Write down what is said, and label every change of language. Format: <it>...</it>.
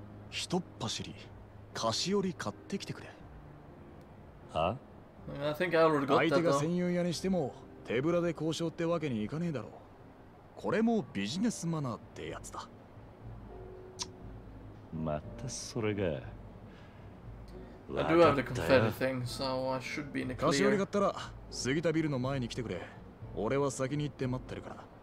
<ja>ひとっ走り、菓子より買ってきてくれ。は？</ja> <en>I think I already got that.</en> <ja>相手が専用屋にしても手ぶらで交渉ってわけにいかねえだろう。これもビジネスマナーってやつだ。またそれが。</ja> <en>I do have the confetti thing, so I should be in the clear.</en> <ja>菓子より買ったら杉田ビルの前に来てくれ。俺は先に行って待ってるから。</ja>